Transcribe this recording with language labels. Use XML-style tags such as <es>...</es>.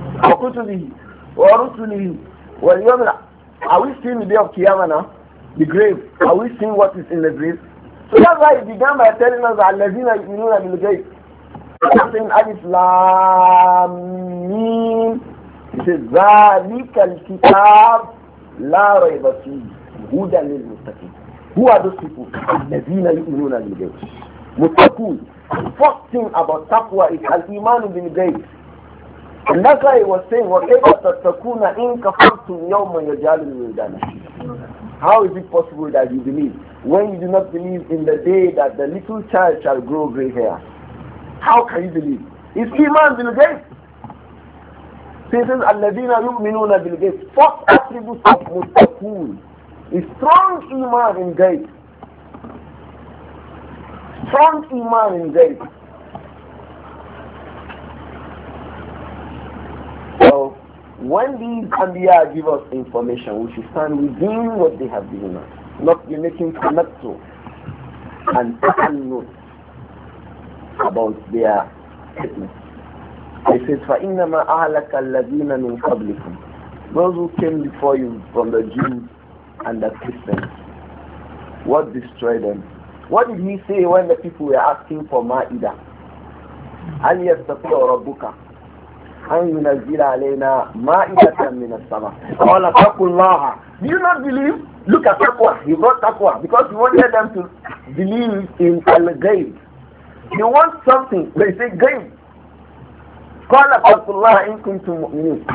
<ar>وكتبه ورسله واليوم لا</ar> <en>are we seeing the day of Qiyamana the grave are we seeing what is in the grave so that's why he began by telling us</en> <ar>الذين يؤمنون بالغيب</ar> <en>in Islam mean it says</en> <ar>ذَلِكَ الْكِتَابُ لَا رَيْبَ فِيهِ هُدًى لِلْمُتَّقِينَ.</ar> <en>Who are those people?</en> <ar>الَّذِينَ يُؤْمِنُونَ بِالْغَيْبِ مُتَّقُونَ.</ar> <en>First thing about taqwa is</en> <ar>الْإِيمَانُ بِالْغَيْبِ.</ar> <en>And that's why he was saying</en> <ar>وَكَيْفَ تَتَّقُونَ إِن كَفَرْتُمْ يَوْمًا يَجْعَلُ الْوِلْدَانَ شِيبًا.</ar> <en>How is it possible that you believe when you do not believe in the day that the little child shall grow gray hair? How can you believe? It's Iman bil Ghayb. This is Alladina Yu'minuna bil Ghayb. First attribute of Muttaqun. It's strong Iman in Ghayb. Strong Iman in Ghayb. So, when these Anbiya give us information, we should stand within what they have given us. Not be making tamattu and tahannut about their fitness. He says,</en> <ar>فَإِنَّمَا أَهْلَكَ الَّذِينَ مِنْ قَبْلِكُمْ.</ar> <en>Those who came before you from the Jews and the Christians, what destroyed them? What did he say when the people were asking for ma'ida?</en> <ar>أَلْ يَسْتَطِعُ رَبُّكَ أن ينزل علينا مائدة من السماء. قال اتقوا الله.</ar> <en>Do you not believe? Look at taqwa. He brought taqwa because he wanted them to believe in al-ghayb. You want something, they say ghayb.</en> <ar>قال اتقوا الله إن كنتم مؤمنين.</ar>